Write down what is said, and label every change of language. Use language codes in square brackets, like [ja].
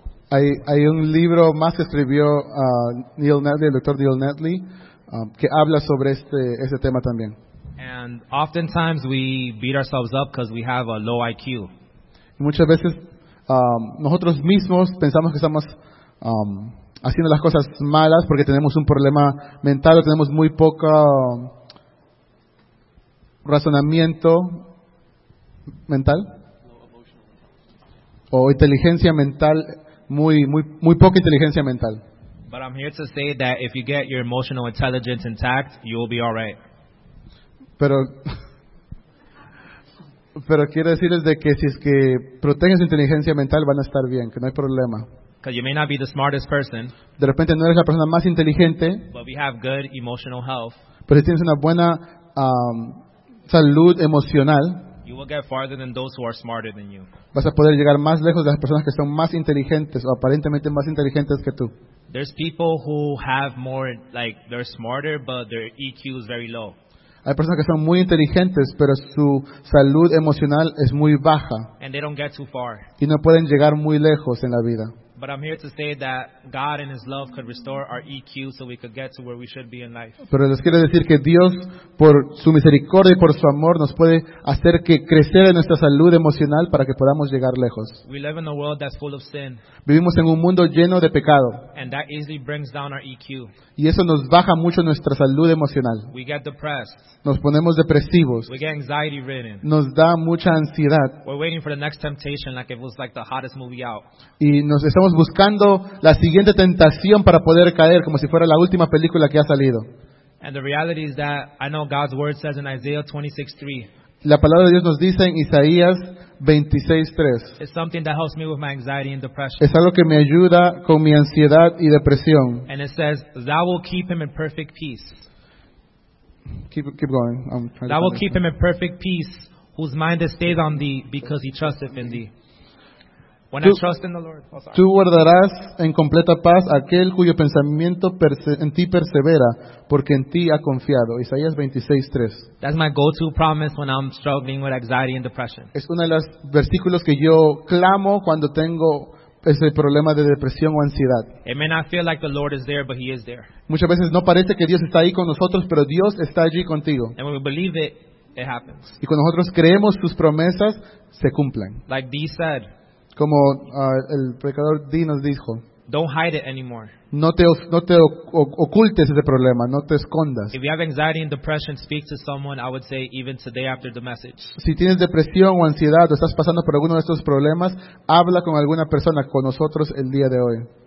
[es] Hay un libro más que escribió Neil Nelly, el doctor Neil Nelly, que habla sobre este tema también. [en] And oftentimes we beat ourselves up because we have a low IQ. [es] Y muchas veces nosotros mismos pensamos que estamos haciendo las cosas malas porque tenemos un problema mental o tenemos muy poco razonamiento mental o inteligencia mental, muy poca inteligencia mental. [en] But I'm here to say that if you get your emotional intelligence intact, you will be all right. [es] Pero quiero decirles de que si es que protegen su inteligencia mental, van a estar bien, que no hay problema. [en] You may not be the smartest person, [es] de repente no eres la persona más inteligente, [en] but we have good emotional health, [es] pero si tienes una buena salud emocional, [en] you will get farther than those who are smarter than you. [es] Vas a poder llegar más lejos de las personas que son más inteligentes o aparentemente más inteligentes que tú. [en] There's people who have more, like, they're smarter, but their EQ is very low. [es] Hay personas que son muy inteligentes, pero su salud emocional es muy baja, [en] and they don't get too far. [es] Y no pueden llegar muy lejos en la vida. [en] But I'm here to say that God in His love could restore our EQ so we could get to where we should be in life. [es] Pero les quiero decir que Dios, por su misericordia y por su amor, nos puede hacer que crecer en nuestra salud emocional para que podamos llegar lejos. [en] We live in a world that's full of sin. [es] Vivimos en un mundo lleno de pecado. [en] And that easily brings down our EQ. [es] Y eso nos baja mucho nuestra salud emocional. [en] We get depressed. [es] Nos ponemos depresivos. [en] We get anxiety ridden. [es] Nos da mucha ansiedad. [en] We're waiting for the next temptation like it was like the hottest movie out. [es] Y nos estamos buscando la siguiente tentación para poder caer como si fuera la última película que ha salido. [en] And the reality is that I know God's word says in Isaiah 26:3. [es] La palabra de Dios nos dice en Isaías 26:3. [en] It's something that helps me with my anxiety and depression. [es] Es algo que me ayuda con mi ansiedad y depresión. [en] And it says, "Thou will keep him in perfect peace." Keep going. I'm trying. "Thou will keep him in perfect peace, whose mind is stayed on thee, because he trusteth in thee." When [es] tú, [en] I trust in the Lord, oh, [es] tú guardarás en completa paz aquel cuyo pensamiento en ti persevera, porque en ti ha confiado. Isaías 26:3. [en] That's my go-to promise when I'm struggling with anxiety and depression. [es] Es uno de los versículos que yo clamo cuando tengo ese problema de depresión o ansiedad. [en] It may not feel like the Lord is there, but He is there. [es] Muchas veces no parece que Dios está ahí con nosotros, pero Dios está allí contigo. [en] And when we believe it, it happens. [es] Y cuando nosotros creemos sus promesas, se cumplen. [en] Like Dee said. [es] Como el predicador D nos dijo, [en] don't hide it anymore. [es] No te ocultes ese problema, no te escondas. [en] If you have anxiety and depression, speak to someone, I would say, even today after the message. [es] Si tienes depresión o ansiedad o estás pasando por alguno de estos problemas, habla con alguna persona, con nosotros el día de hoy.